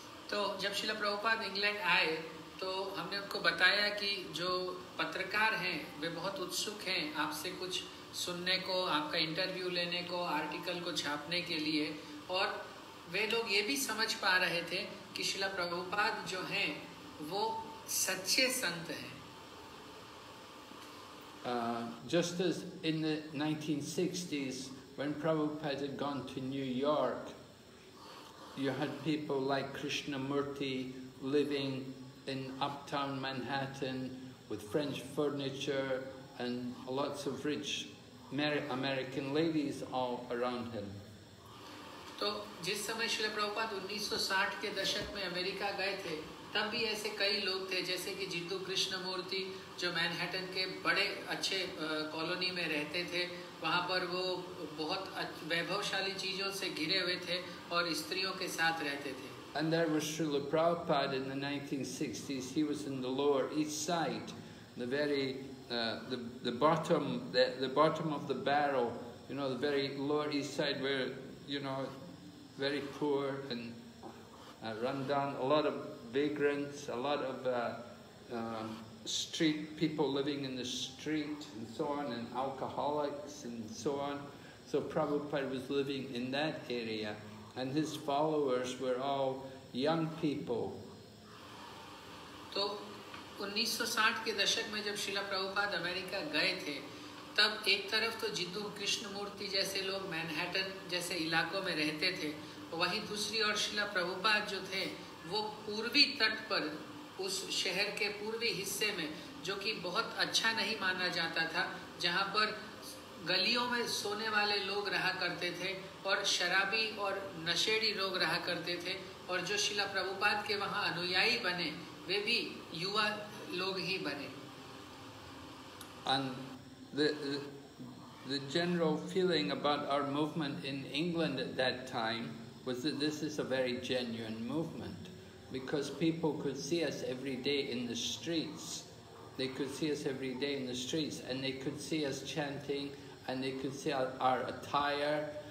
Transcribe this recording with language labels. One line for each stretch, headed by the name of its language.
Hindi: तो जब श्रील प्रभुपाद इंग्लैंड आए तो हमने उनको बताया कि जो पत्रकार हैं वे बहुत उत्सुक हैं आपसे कुछ सुनने को, आपका इंटरव्यू लेने को, आर्टिकल को छापने के लिए, और वे लोग ये भी समझ पा रहे थे कि श्रील प्रभुपाद जो हैं वो सच्चे संत हैं।
English: Just as in the 1960s, when Prabhupada had gone to New York, you had people like Krishnamurti living in uptown Manhattan with French furniture and lots of rich American ladies all around him.
Hindi: तो जिस समय श्रील प्रभुपाद 1960 के दशक में America गए थे, तब भी ऐसे कई लोग थे जैसे कि जिद्दू कृष्णमूर्ति, जो मैनहट्टन के बड़े अच्छे कॉलोनी में रहते थे, वहाँ पर वो बहुत वैभवशाली चीज़ों से घिरे हुए थे और स्त्रियों के साथ रहते थे.
English: And there was Srila Prabhupada in the 1960s. He was in the Lower East Side, the very the bottom of the barrel, you know, the very Lower East Side, where, you know, very poor and run down, a lot of vagrants, a lot of street people living in the street and so on, and alcoholics and so on. So Prabhupada was living in that area, and his followers were all young people.
Hindi: तो 1960 के दशक में जब Srila Prabhupada America गए थे, तब एक तरफ तो जिद्दू कृष्णमूर्ति जैसे लोग मैनहट्टन जैसे इलाकों में रहते थे, वहीं दूसरी ओर श्रील प्रभुपाद जो थे वो पूर्वी तट पर, उस शहर के पूर्वी हिस्से में, जो कि बहुत अच्छा नहीं माना जाता था, जहाँ पर गलियों में सोने वाले लोग रहा करते थे और शराबी और नशेड़ी लोग रहा करते थे, और जो श्रील प्रभुपाद के वहाँ अनुयायी बने, वे भी युवा लोग ही बने.
English: And the general feeling about our movement in England at that time was that this is a very genuine movement, because people could see us every day in the streets. They could see us every day in the streets, and they could see us chanting, and they could see our attire.